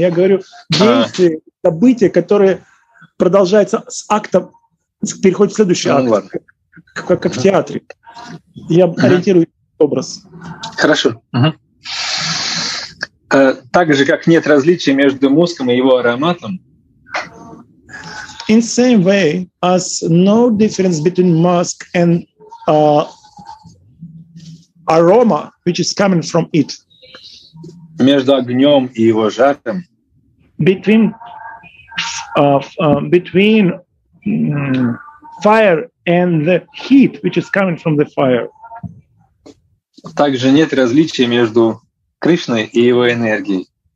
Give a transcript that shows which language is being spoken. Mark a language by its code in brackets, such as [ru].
[ru] Я говорю, действие, событие, которое продолжается с акта, переходит в следующий акт, как в театре. Я ориентирую образ. Хорошо. Так же, как нет различия между муском и его ароматом. [en] In same way as no difference between musk and aroma, which is coming from it. [ru] Между огнем и его жаром. [en] Between between fire and the heat, which is coming from the fire. [ru] Также нет различия между Кришной и его энергией.